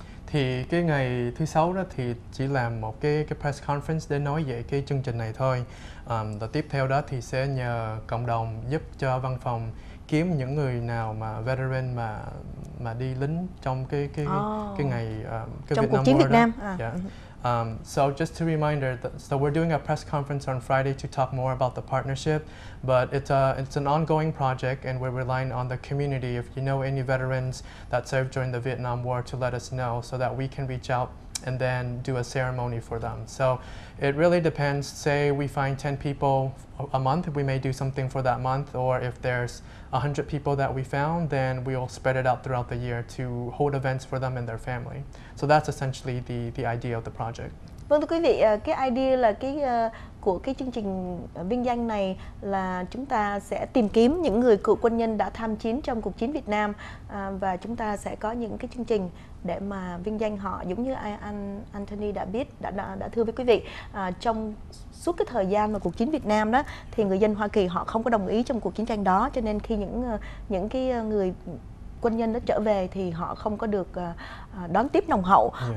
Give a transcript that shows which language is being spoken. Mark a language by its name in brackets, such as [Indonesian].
[Vietnamese] Thì cái ngày thứ sáu đó thì chỉ làm một cái press conference để nói về cái chương trình này thôi. Và tiếp theo đó thì sẽ nhờ cộng đồng giúp cho văn phòng kiếm những người nào mà veteran mà đi lính trong cái ngày cái Việt Nam War đó. [English] So just a reminder, so we're doing a press conference on Friday to talk more about the partnership, but it's an ongoing project and we're relying on the community. If you know any veterans that served during the Vietnam War, to let us know so that we can reach out and then do a ceremony for them. So it really depends. Say we find 10 people a month, we may do something for that month, or if there's 100 people that we found, then we'll spread it out throughout the year to hold events for them and their family. So that's essentially the idea of the project. [Vietnamese] Vâng, thưa quý vị, cái idea là của cái chương trình vinh danh này là chúng ta sẽ tìm kiếm những người cựu quân nhân đã tham chiến trong cuộc chiến Việt Nam, và chúng ta sẽ có những cái chương trình để mà vinh danh họ, giống như anh Anthony đã thưa với quý vị, trong suốt cái thời gian mà cuộc chiến Việt Nam đó thì người dân Hoa Kỳ họ không có đồng ý trong cuộc chiến tranh đó, cho nên khi những cái người quân nhân đó trở về thì họ không có được đón tiếp nồng hậu.